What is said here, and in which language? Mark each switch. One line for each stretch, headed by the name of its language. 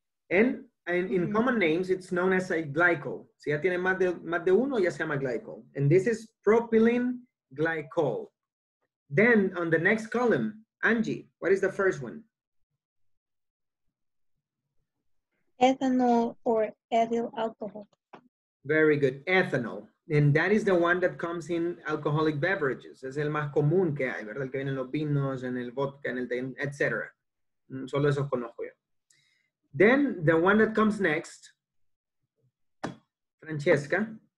English: And in common names, it's known as a glycol.
Spanish: Si ya tiene más de uno, ya se llama glycol.
English: And this is propylene glycol. Then, on the next column, Angie, what is the first one? Ethanol or ethyl alcohol. Very good, ethanol. And that is the one that comes in alcoholic beverages.
Spanish: Es el más común que hay, ¿verdad? El que viene en los vinos, en el vodka, en el té, etc. Solo eso conozco yo.
English: Then, the one that comes next, Francesca.